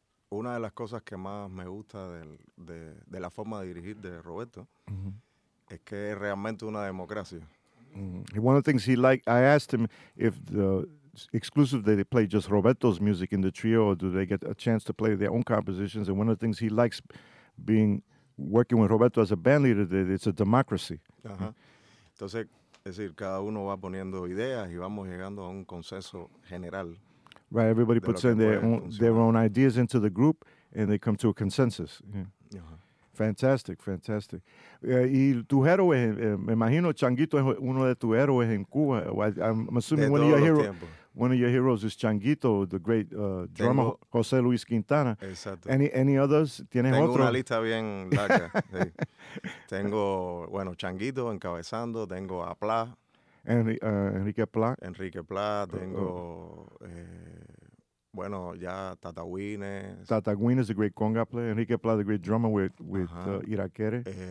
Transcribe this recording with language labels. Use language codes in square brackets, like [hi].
[es] una de las cosas que más me gusta de la forma de dirigir de Roberto es que es realmente una democracia. Mm-hmm. [en] One of the things he liked, I asked him if the exclusive they play just Roberto's music in the trio or do they get a chance to play their own compositions. And one of the things he likes working with Roberto as a band leader, that it's a democracy. Uh-huh. [es] Entonces, es decir, cada uno va poniendo ideas y vamos llegando a un consenso general. [en] Right, everybody puts in their own ideas into the group, and they come to a consensus. Yeah. Uh-huh. [es] Fantastic. Y tu héroe, me imagino Changuito es uno de tus héroes en Cuba. [en] I'm assuming one of your heroes is Changuito, the great drummer José Luis Quintana. [es] Exacto. [en] Any others? ¿Tienes [es] Tengo otro? Una lista bien larga. Sí. Tengo, bueno, Changuito encabezando, tengo a Pla. Enrique Pla. Enrique Pla, tengo, bueno, ya Tatagüine. [en] Tatagüine is a great conga player. Enrique Pla, the great drummer with Iraquere.